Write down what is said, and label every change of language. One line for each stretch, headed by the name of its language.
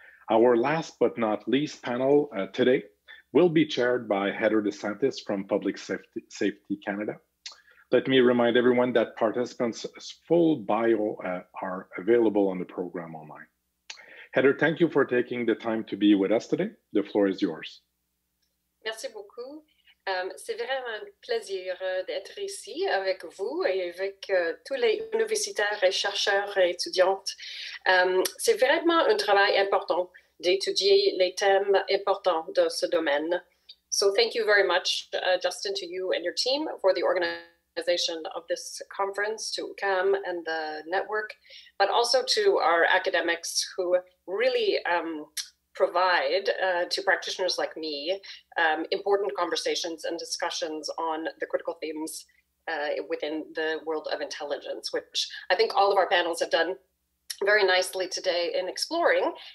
English: Our last but not least panel today will be chaired by Heather DeSantis from Public Safety Canada. Let me remind everyone that participants' full bio are available on the program online. Heather, thank you for taking the time to be with us today. The floor is yours.
French: Merci beaucoup. C'est vraiment un plaisir d'être ici avec vous et avec tous les universitaires et chercheurs et étudiantes. C'est vraiment un travail important d'étudier les thèmes importants de ce domaine.
English: So thank you very much, Justin, to you and your team for the organization of this conference, to UQAM and the network, but also to our academics who really provide to practitioners like me important conversations and discussions on the critical themes within the world of intelligence, which I think all of our panels have done very nicely today in exploring.